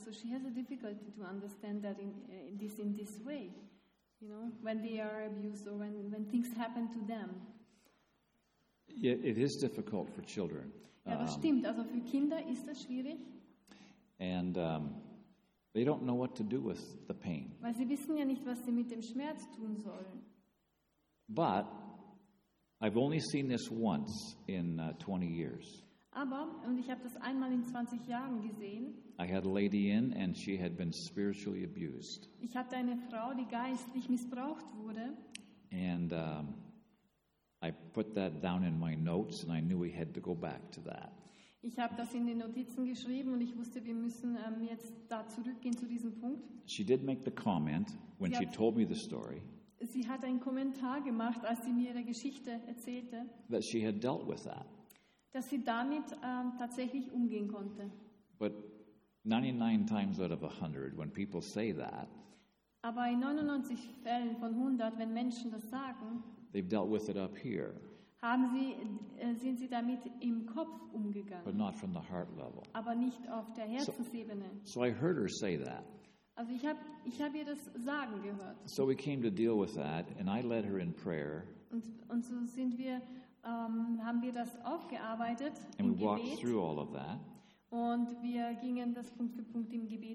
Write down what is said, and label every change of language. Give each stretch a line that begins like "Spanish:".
English: So she has a difficulty to understand that in this way, you know, when they are abused or when things happen to them. It is difficult for children.
German: Ja, das stimmt. Also für Kinder ist das schwierig.
English: And they don't know what to do with the pain.
German: Weil sie wissen ja nicht, was sie mit dem Schmerz tun sollen.
English: But I've only seen this once in 20 years.
German: Aber, und ich habe das einmal in 20 Jahren gesehen.
English: I had a lady in and she had been spiritually abused.
German: Ich hatte eine Frau, die geistlich missbraucht wurde.
English: And I put that down in my notes and I knew we had to go back to that.
German: Ich habe das in den Notizen geschrieben und ich wusste, wir müssen jetzt da zurückgehen zu diesem Punkt.
English: She did make the comment when she told me the story.
German: Sie hat einen Kommentar gemacht, als sie mir ihre Geschichte erzählte.
English: That she had dealt with that.
German: Dass sie damit tatsächlich umgehen konnte.
English: But 99 times out of 100, when people say that,
German: aber in 99 Fällen von 100, wenn Menschen das sagen,
English: they've dealt with it up here.
German: Haben sie, sind sie damit im Kopf umgegangen,
English: but not from the heart level.
German: Aber nicht auf der Herzensebene.
English: So I heard her say that.
German: Also ich hab ihr das sagen gehört.
English: So we came to deal with that, and I led her in prayer.
German: Und so sind wir, haben wir das aufgearbeitet im Gebet.
English: And we walked through all of that.
German: Und wir gingen das Punkt für Punkt im Gebet.